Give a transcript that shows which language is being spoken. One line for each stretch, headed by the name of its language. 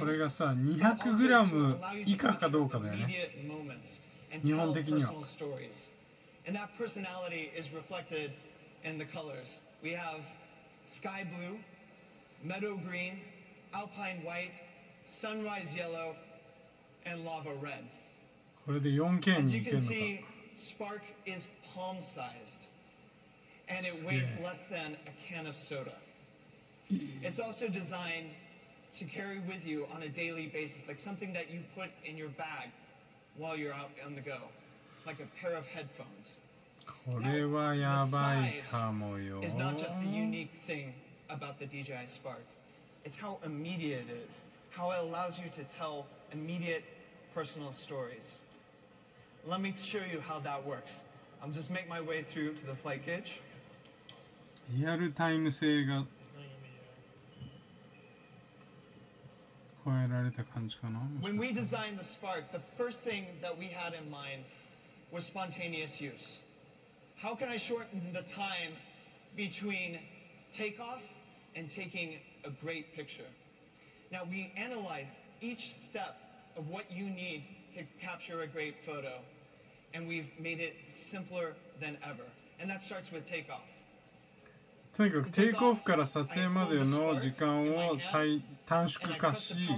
Japanese: これがさ、200g 以下かどうかだよね。日本的には。
English: And that personality is reflected in the colors. We have sky blue, meadow green, alpine white, sunrise yellow, and lava red.
Japanese: これで 4K にいけるのか。
English: As you can see, Spark is palm sized. And it weighs less than a can of soda. It's also designed to carry with you on a daily basis, like something that you put in your bag while you're out on the go, like a pair of headphones.
Japanese: これはやばいかもよ。
English: It's not just the unique thing about the DJI Spark. It's how immediate it is, how it allows you to tell immediate personal stories. Let me show you how that works. I'm just make my way through to the flight cage.
Japanese: リアルタイム性が加えられた感じかな。
English: When we designed the Spark, the first thing that we had in mind was spontaneous use. How can I shorten the time between takeoff and taking a great picture? Now we analyzed each step of what you need to capture a great photo, and we've made it simpler than ever. And that starts with takeoff.
Japanese: とにかくテイクオフから撮影までの時間を最短縮化し、